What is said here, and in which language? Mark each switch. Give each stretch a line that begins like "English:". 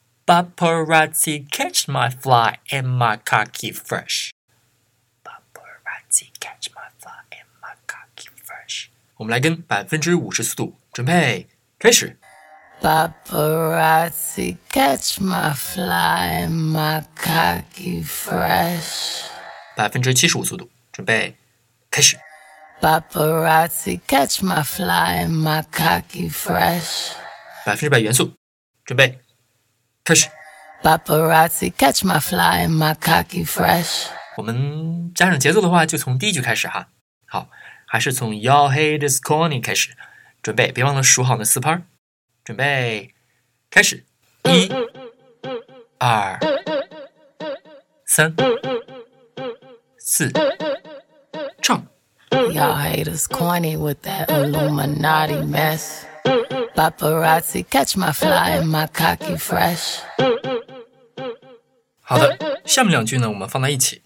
English: Paparazzi catch my fly and my khaki fresh. Paparazzi catch my fly and my khaki fresh.
Chinese: 我们来跟50%速度，准备，开始。
English: Paparazzi catch my fly and my khaki fresh.
Chinese: 75%速度，准备，开始。
English: Paparazzi catch my fly and my khaki fresh.
Chinese: 100%元素，准备。开始
English: Paparazzi catch my fly and my khaki fresh.
Chinese: 我们加上节奏的话就从第一句开始哈。好，还是从
English: Y'all haters corny
Chinese: 开始，准备，别忘了数好那四拍，准备，开始。一、二、三、四，唱。
English: Y'all haters corny with that Illuminati messPaparazzi catch my fly and my khaki fresh.
Chinese: 好的，下面两句呢我们放在一起。